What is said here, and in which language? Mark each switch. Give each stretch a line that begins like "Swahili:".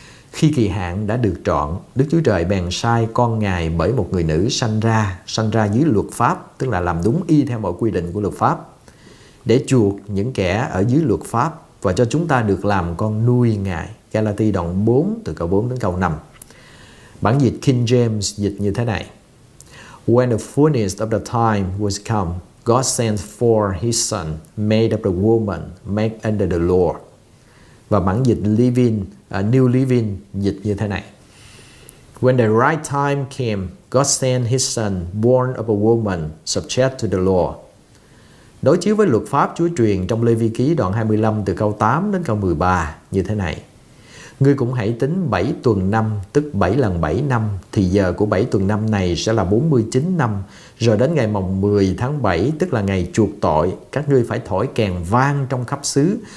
Vietnamese: Khi kỳ hạn đã được chọn, Đức Chúa Trời bèn sai con Ngài bởi một người nữ sanh ra dưới luật pháp, tức là làm đúng y theo mọi quy định của luật pháp, để chuộc những kẻ ở dưới luật pháp và cho chúng ta được làm con nuôi Ngài. Galati đoạn 4 từ câu 4 đến câu 5. Bản dịch King James dịch như thế này.
English: When the fullness of the time was come, God sent for his son, made of the woman, made under the law.
Vietnamese: Và bản dịch New Living dịch như thế này.
English: When the right time came, God sent his son, born of a woman, subject to the law.
Vietnamese: Đối chiếu với luật pháp Chúa truyền trong Lê Vi Ký đoạn 25 từ câu 8 đến câu 13 như thế này. Ngươi cũng hãy tính 7 tuần năm, tức 7 lần 7 năm, thì giờ của 7 tuần năm này sẽ là 49 năm. Rồi đến ngày mồng 10 tháng 7, tức là ngày chuộc tội, các ngươi phải thổi kèn vang trong khắp xứ.